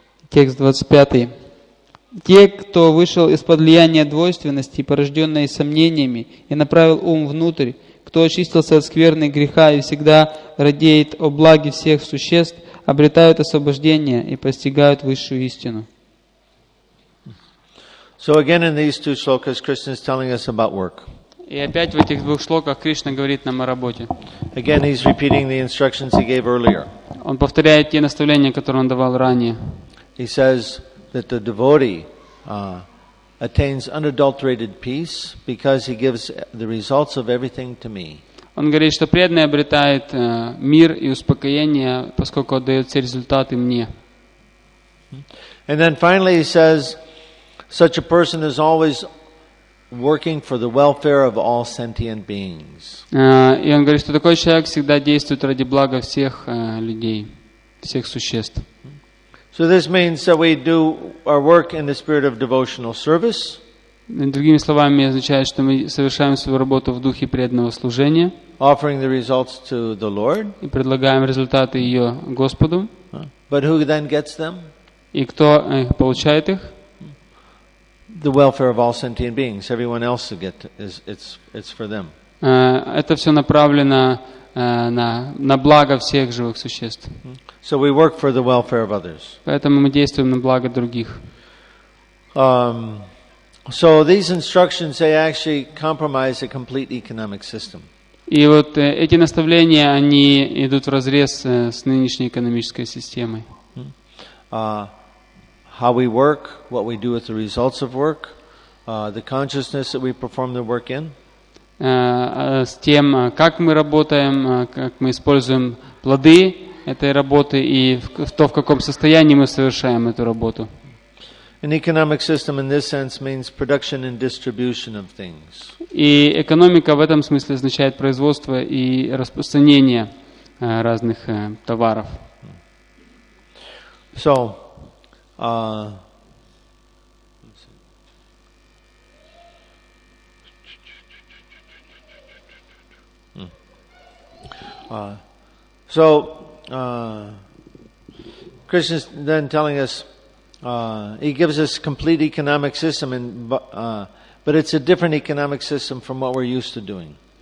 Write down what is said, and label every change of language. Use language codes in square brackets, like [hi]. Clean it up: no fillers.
[ru] Текст 25. Те, кто вышел из-под влияния двойственности, порожденной сомнениями, и направил ум внутрь, кто очистился от скверны греха и всегда радеет о благе всех существ, обретают освобождение и постигают высшую истину. [en] So again in these two shlokas, Krishna is telling us about work. [ru] И опять в этих двух шлоках Кришна говорит нам о работе. [en] Again he's repeating the instructions he gave earlier. [ru] Он повторяет те наставления, которые он давал ранее. [en] He says that the devotee attains unadulterated peace because he gives the results of everything to me. [ru] Он говорит, что преданный обретает мир и успокоение, поскольку отдает все результаты мне. [en] And then finally he says, such a person is always working for the welfare of all sentient beings. [ru] И он говорит, что такой человек всегда действует ради блага всех людей, всех существ. [en] So this means that we do our work in the spirit of devotional service. [ru] Другими словами, означает, что мы совершаем свою работу в духе преданного служения. [en] Offering the results to the Lord. [ru] И предлагаем результаты ее Господу. [en] But who then gets them? [ru] И кто получает их? [en] The welfare of all sentient beings. Everyone else it's for them. [ru] Это все направлено на благо всех живых существ. [en] So we work for the welfare of others. [ru] Поэтому мы действуем на благо других. [en] So these instructions they actually compromise a complete economic system. [ru] И вот эти наставления они идут вразрез с нынешней экономической системой. [en] how we work, what we do with the results of work, the consciousness that we perform the work in. [ru] С тем, как мы работаем, как мы используем плоды этой работы и в то, в каком состоянии мы совершаем эту работу. [en] An economic system in this sense means production and distribution of things. [ru] И экономика в этом смысле означает производство и распространение разных товаров. [en] So, Krishna's then telling us, he gives us complete economic system, but it's a different economic system from what we're used to doing.